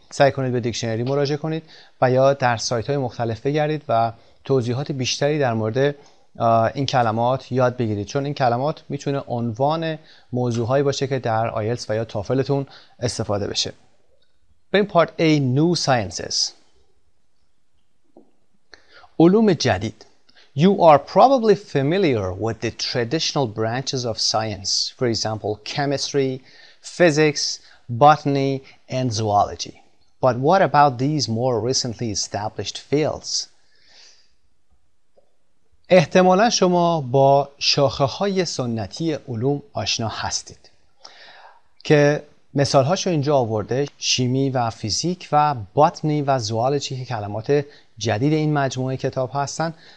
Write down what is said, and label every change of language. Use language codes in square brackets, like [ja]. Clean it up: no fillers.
[fa] سعی کنید به دیکشنری مراجعه کنید و یا در سایت های مختلف بگردید و توضیحات بیشتری در مورد این کلمات یاد بگیرید، چون این کلمات میتونه عنوان موضوع هایی باشه که در آیلتس و یا تافلتون استفاده بشه. بریم پارت A، [en] new sciences, [fa] علوم جدید. [en] You are probably familiar with the traditional branches of science, for example, chemistry, physics, botany, and zoology. But what about these more recently established fields? [fa] احتمالا شما با شاخه های سنتی علوم آشنا هستید که مثال هاشو اینجا آورده، شیمی و فیزیک و باتنی و زوالجی که کلمات جدید این مجموعه کتاب هستن.